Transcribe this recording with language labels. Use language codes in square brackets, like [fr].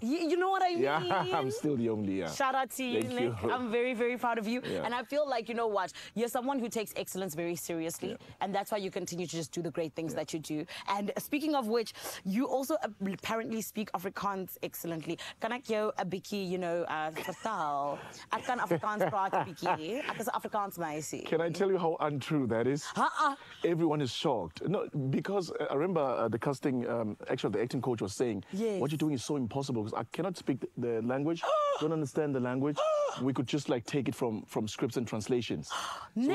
[en] You know what I mean? Yeah, I'm still the only, Shout out to you, Nick. I'm very, very proud of you. Yeah. And I feel like, you know what, you're someone who takes excellence very seriously. Yeah. And that's why you continue to just do the great things that you do. And speaking of which, you also apparently speak Afrikaans excellently. [af] Kan ek jou 'n bietjie, you know, vertaal? Ek kan Afrikaans praat 'n bietjie. Ek is 'n Afrikaans meisie. [en] Can I tell you how untrue that is? Everyone is shocked. No, because I remember the casting, actually the acting coach was saying, what you're doing is so impossible because I cannot speak the language, don't understand the language. We could just like take it from scripts and translations. So